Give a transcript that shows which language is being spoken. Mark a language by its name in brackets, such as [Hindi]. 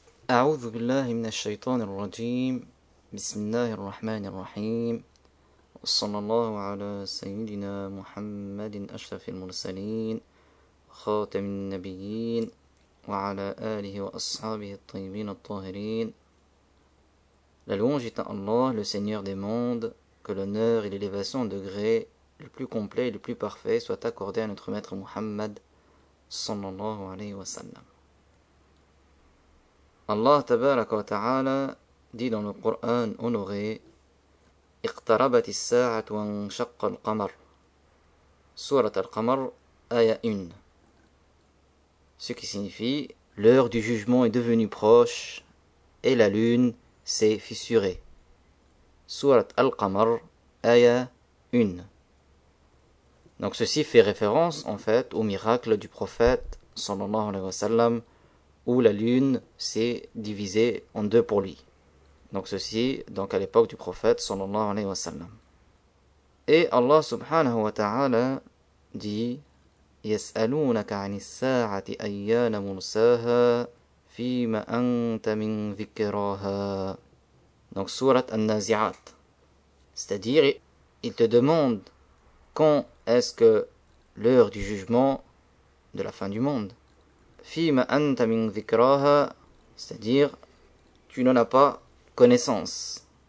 [Arabic] أعوذ بالله من الشيطان الرجيم. بسم الله الرحمن الرحيم، صلى الله على سيدنا محمد أشرف المرسلين خاتم النبيين وعلى آله وأصحابه الطيبين الطاهرين. [French] La louange est à Allah, le Seigneur des mondes, que l'honneur et l'élévation au degré le plus complet et le plus parfait soient accordés à notre maître Muhammad, [Arabic] صلى الله عليه وسلم. [French] Allah tabaraka wa ta'ala dit dans le Coran honoré: [Arabic] Iqtarabat as-sa'atu wa inshaqqa al-qamar. [French] Sourate al-Qamar, ayah 1. Ce qui signifie: l'heure du jugement est devenue proche et la lune s'est fissurée. Sourate al-Qamar, ayah 1. Donc ceci fait référence en fait au miracle du prophète sallallahu alayhi wa sallam, où la lune s'est divisée en deux pour lui. Donc ceci, donc à l'époque du prophète, sallallahu alayhi wa sallam. Et Allah subhanahu wa ta'ala dit: [Arabic] يَسْأَلُونَكَ عَنِ السَّاعَةِ أَيَّانَ مُرْسَاهَا فِيمَ أَنْتَ مِنْ ذِكْرَاهَا. [French] Donc surat An-Nazi'at. C'est-à-dire, il te demande quand est-ce que l'heure du jugement de la fin du monde. [Arabic] Fima anta min dhikraha, [French] c'est-à-dire tu n'en as pas connaissance.